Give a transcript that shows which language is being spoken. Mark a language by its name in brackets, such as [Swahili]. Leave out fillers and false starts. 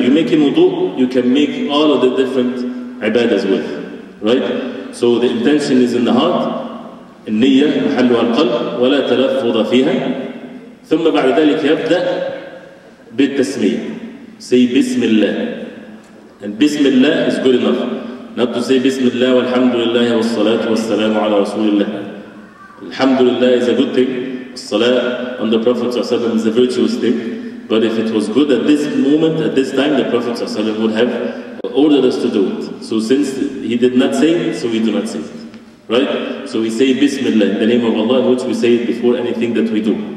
[English] You make him wudu, you can make all of the different ibadahs with. Right? So the intention is in the heart. [Arabic] النِّيَّة مَحَلُّهَا الْقَلْبُ وَلَا تَلَفُّظَ فِيهَا ثُمَّ بَعْدَ ذَلِكَ يَبْدَأ بِالتَّسْمِيَّةِ. [English] Say Bismillah. And Bismillah is good enough. Not to say Bismillah [Arabic] والحمد لله والصلاة والسلام على رسول الله. [English] Alhamdulillah is a good thing. Salah on the Prophet ﷺ is a virtuous thing. But if it was good at this moment, at this time, the Prophet ﷺ would have ordered us to do it. So since he did not say it, so we do not say it. Right? So we say Bismillah in the name of Allah, which we say it before anything that we do.